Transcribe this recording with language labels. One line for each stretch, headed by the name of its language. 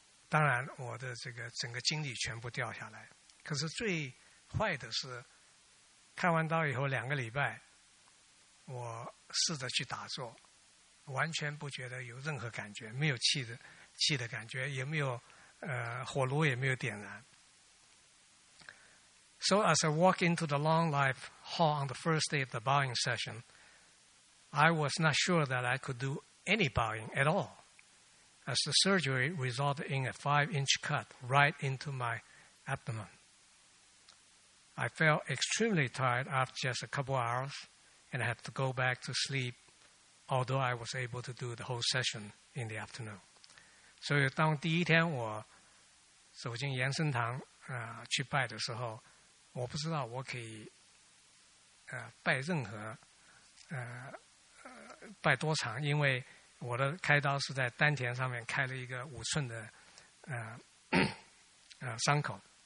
Chinese: 当然我的这个整个精力全部掉下来。可是最坏的是开完刀以后2个礼拜，我试着去打坐，完全不觉得有任何感觉，没有气的感觉，也没有火炉也没有点燃。
English: So as I walk into the long life hall on the first day of the bowing session, I was not sure that I could do any bowing at all, as the surgery resulted in a 5-inch cut right into my abdomen. I felt extremely tired after just a couple hours and I had to go back to sleep, although I was able to do the whole session in the afternoon.
Chinese: 所以当第一天我走进延伸堂去拜的时候，我不知道我可以拜任何拜多长，因为我的开刀是在丹田上面开了一个5寸的伤口。